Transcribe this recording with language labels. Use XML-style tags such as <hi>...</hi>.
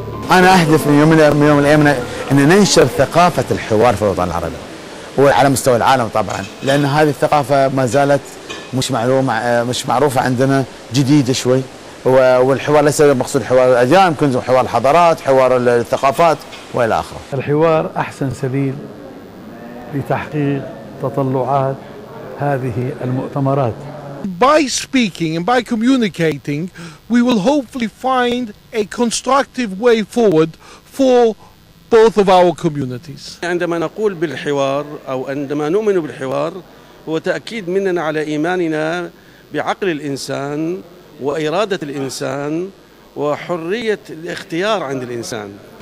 <ar>أنا أهدف من يوم من يوم الأيام أن ننشر ثقافة الحوار في الوطن العربي وعلى مستوى العالم طبعا، لأن هذه الثقافة ما زالت مش معروفة عندنا، جديدة شوي. والحوار ليس مقصود حوار الأديان، يمكن حوار الحضارات، حوار الثقافات وإلى آخره. الحوار أحسن سبيل لتحقيق تطلعات هذه المؤتمرات.</ar> <en>By speaking and by communicating, we will hopefully find a constructive way forward for both of our communities.</en> <ar>عندما نقول بالحوار أو عندما نؤمن بالحوار هو تأكيد مننا على إيماننا بعقل الإنسان وإرادة الإنسان وحرية الاختيار عند الإنسان.</ar>